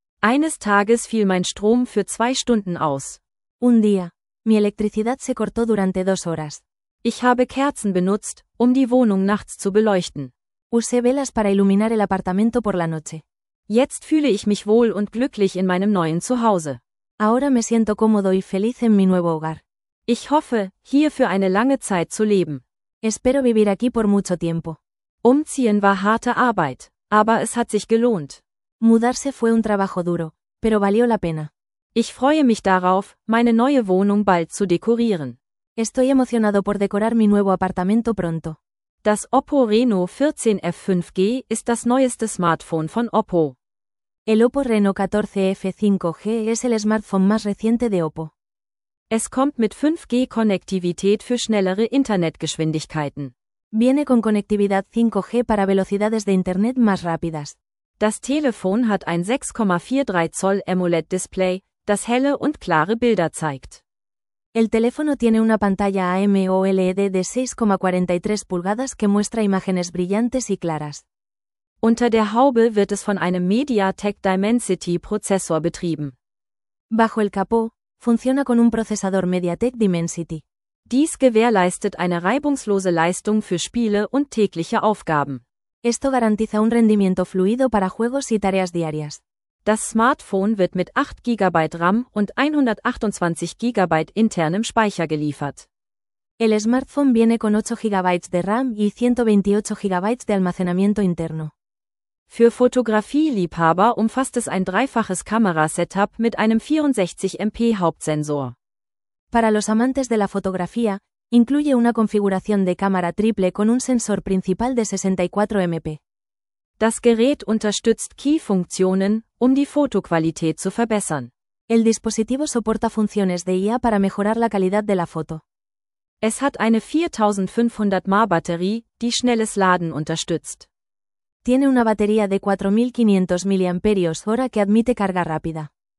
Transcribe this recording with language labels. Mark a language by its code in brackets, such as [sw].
[de] Eines Tages fiel mein Strom für zwei Stunden aus. [es] Un día, mi electricidad se cortó durante dos horas. [de] Ich habe Kerzen benutzt, um die Wohnung nachts zu beleuchten. [es] Usé velas para iluminar el apartamento por la noche. [de] Jetzt fühle ich mich wohl und glücklich in meinem neuen Zuhause. [es] Ahora me siento cómodo y feliz en mi nuevo hogar. [de] Ich hoffe, hier für eine lange Zeit zu leben. [es] Espero vivir aquí por mucho tiempo. [de] Umziehen war harte Arbeit, aber es hat sich gelohnt. [es] Mudarse fue un trabajo duro, pero valió la pena. [de] Ich freue mich darauf, meine neue Wohnung bald zu dekorieren. [es] Estoy emocionado por decorar mi nuevo apartamento pronto. [de] Das Oppo Reno 14 5G ist das neueste Smartphone von Oppo. [es] El Oppo Reno 14 5G es el smartphone más reciente de Oppo. [de] Es kommt mit 5G-Konnektivität für schnellere Internetgeschwindigkeiten. [es] Viene con conectividad 5G para velocidades de Internet más rápidas. [de] Das Telefon hat ein 6,43 Zoll AMOLED-Display, das helle und klare Bilder zeigt. [es] El teléfono tiene una pantalla AMOLED de 6,43 pulgadas que muestra imágenes brillantes y claras. [de] Unter der Haube wird es von einem MediaTek Dimensity-Prozessor betrieben. [es] Bajo el capó, funciona con un procesador MediaTek Dimensity. [de] Dies gewährleistet eine reibungslose Leistung für Spiele und tägliche Aufgaben. [es] Esto garantiza un rendimiento fluido para juegos y tareas diarias. [de] Das Smartphone wird mit 8 GB RAM und 128 GB internem Speicher geliefert. [es] El smartphone viene con 8 GB de RAM y 128 GB de almacenamiento interno. [de] Für Fotografieliebhaber umfasst es ein dreifaches Kamerasetup mit einem 64 MP Hauptsensor. [es] Para los amantes de la fotografía, incluye una configuración de cámara triple con un sensor principal de 64 MP. [de] Das Gerät unterstützt Key-Funktionen, um die Fotoqualität zu verbessern. [es] El dispositivo soporta funciones de IA para mejorar la calidad de la foto. [de] Es hat eine 4500 mAh Batterie, die schnelles Laden unterstützt. [es] Tiene una batería de 4500 mAh que admite carga rápida.